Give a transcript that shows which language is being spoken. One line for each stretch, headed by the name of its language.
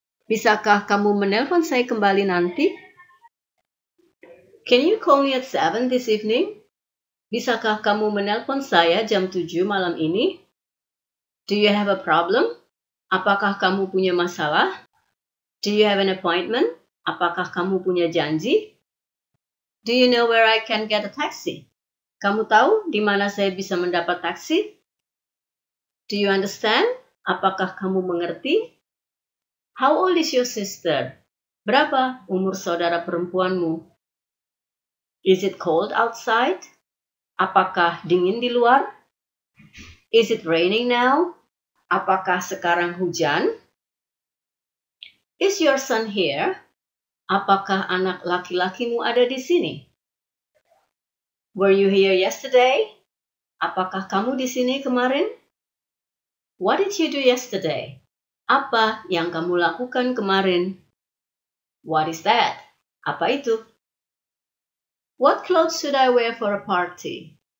Indonesian: Bisakah kamu menelpon saya kembali nanti?
English: Can you call me at 7 this evening?
Indonesian: Bisakah kamu menelpon saya jam 7 malam ini?
English: Do you have a problem?
Indonesian: Apakah kamu punya masalah?
English: Do you have an appointment?
Indonesian: Apakah kamu punya janji?
English: Do you know where I can get a taxi?
Indonesian: Kamu tahu di mana saya bisa mendapat taksi?
English: Do you understand?
Indonesian: Apakah kamu mengerti?
English: How old is your sister?
Indonesian: Berapa umur saudara perempuanmu?
English: Is it cold outside?
Indonesian: Apakah dingin di luar?
English: Is it raining now?
Indonesian: Apakah sekarang hujan?
English: Is your son here?
Indonesian: Apakah anak laki-lakimu ada di sini?
English: Were you here yesterday?
Indonesian: Apakah kamu di sini kemarin?
English: What did you do yesterday?
Indonesian: Apa yang kamu lakukan kemarin?
English: What is that?
Indonesian: Apa itu?
English: What clothes should I wear for a party?